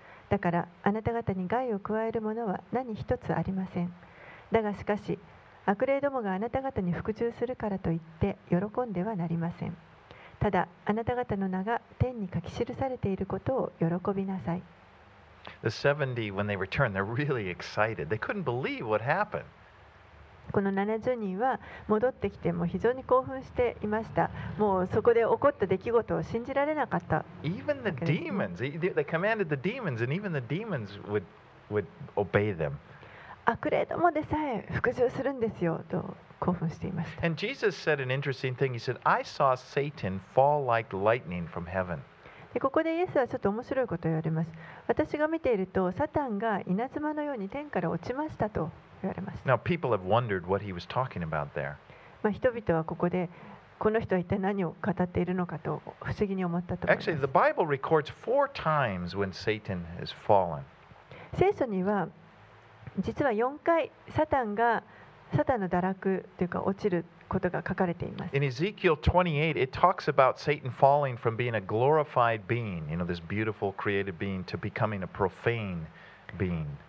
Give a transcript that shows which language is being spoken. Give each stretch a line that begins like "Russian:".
Japanese: だからあなた方に害を加えるものは何一つありません。だがしかし悪霊どもがあなた方に服従するからといって喜んではなりません。ただあなた方の名が天に書き記されていることを喜びなさい。
English: The 70, when they return, they're really excited. They couldn't believe what happened.
Japanese: この70人は戻ってきても非常に興奮していました。もうそこで起こった出来事を信じられなかった。
English: Even the demons, they commanded the demons, and even the demons would obey them.
Japanese: 悪霊どもでさえ服従するんですよと。
English: And Jesus said an interesting thing. He said, "I saw Satan fall like lightning from heaven."
Japanese: で、ここでイエスはちょっと面白いことを言われます。私が見ていると、サタンが稲妻のように天から落ちましたと言われました。
English: Now people have wondered what he was talking about there.
Japanese: まあ、人々はここでこの人は一体何を語っているのかと不思議に思ったと思います。
English: Actually, the Bible records four times when Satan has fallen.
Japanese: 聖書には実は4回サタンがサタンの堕落というか落ちることが書かれています。
English: In Ezekiel 28 it talks about Satan falling from being a glorified being, you know, this beautiful created being, to becoming a profane being.